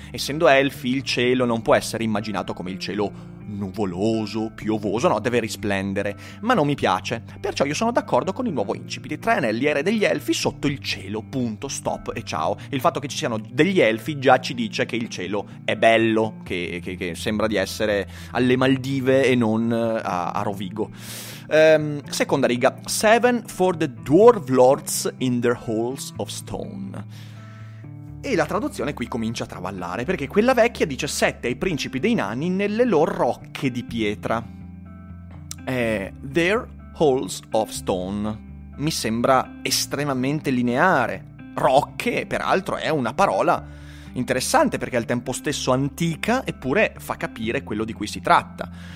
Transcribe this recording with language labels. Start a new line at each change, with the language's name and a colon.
Italian: Essendo elfi, il cielo non può essere immaginato come il cielo nuvoloso, piovoso, no, deve risplendere. Ma non mi piace, perciò io sono d'accordo con il nuovo incipit. Tre anelli, re degli elfi, sotto il cielo, punto, stop e ciao. Il fatto che ci siano degli elfi già ci dice che il cielo è bello, che sembra di essere alle Maldive e non a Rovigo. Seconda riga,
English: Seven for the Dwarf Lords in their Halls of Stone.
Italian: E la traduzione qui comincia a traballare, perché quella vecchia dice Sette ai principi dei nani nelle loro rocche di pietra.
English: Their Halls of Stone
Italian: mi sembra estremamente lineare. Rocche, peraltro, è una parola interessante, perché al tempo stesso antica, eppure fa capire quello di cui si tratta.